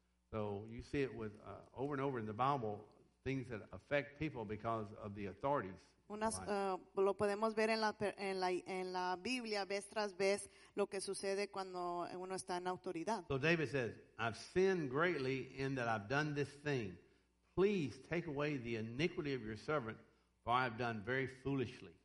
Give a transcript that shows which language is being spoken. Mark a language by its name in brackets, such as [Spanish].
[English] So you see it with over and over in the Bible. Things that affect people because of the authorities. [Spanish] Lo podemos ver en la Biblia vez tras vez lo que sucede cuando uno está en autoridad. [English] So David says, I've sinned greatly in that I've done this thing. Please take away the iniquity of your servant, for I have done very foolishly.